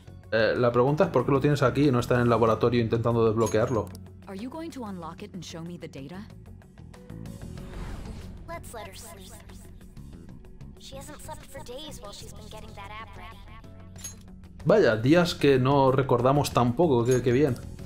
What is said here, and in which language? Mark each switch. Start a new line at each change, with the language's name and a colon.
Spanish: La pregunta es por qué lo tienes aquí y no está en el laboratorio intentando desbloquearlo.
English: Are you going to unlock it and show me the data? Let's let her sleep. She hasn't slept for days while she's been getting that app ready.
Spanish: Vaya, días que no recordamos tampoco, qué bien.